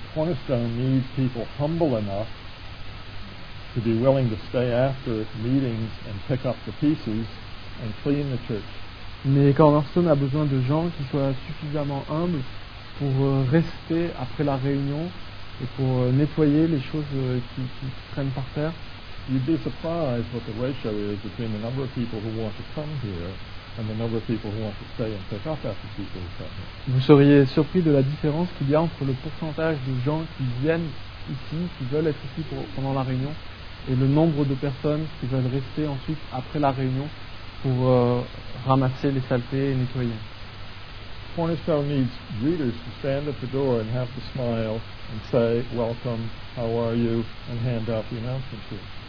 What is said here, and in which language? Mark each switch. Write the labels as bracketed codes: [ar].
[en] Cornerstone needs people humble enough to be willing to stay after meetings and pick up the pieces and clean the church. [fr] Mais Cornerstone a besoin de gens qui soient suffisamment humbles pour rester après la réunion et pour nettoyer les choses qui traînent par terre. [en] You'd be surprised what the ratio is between the number of people who want to come here and the number of people who want to stay and pick up after people who come here. [fr] Vous seriez surpris de la différence qu'il y a entre le pourcentage de gens qui viennent ici, qui veulent être ici pendant la réunion, et le nombre de personnes qui veulent rester ensuite après la réunion pour ramasser les saletés et nettoyer. [en] Cornerstone needs greeters to stand at the door and have to smile and say, welcome, how are you, and hand out the announcement sheet.